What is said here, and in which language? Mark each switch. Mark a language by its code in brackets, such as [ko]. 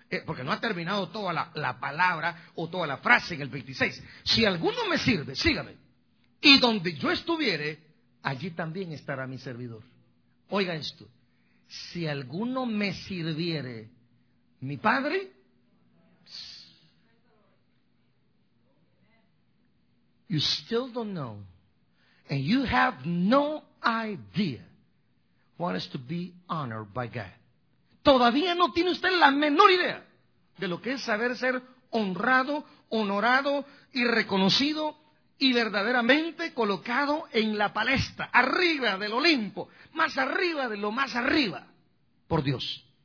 [es] Porque no ha terminado toda la palabra o toda la frase en el 26. Si alguno me sirve, sígame. Y donde yo estuviere, allí también estará mi servidor. Oiga esto. Si alguno me sirviere, mi Padre... [en] You still don't know, and you have no idea what is to be honored by God. [es] Todavía no tiene usted la menor idea de lo que es saber ser honrado, honorado y reconocido y verdaderamente colocado en la palestra, arriba del Olimpo, más arriba de lo más arriba, por Dios.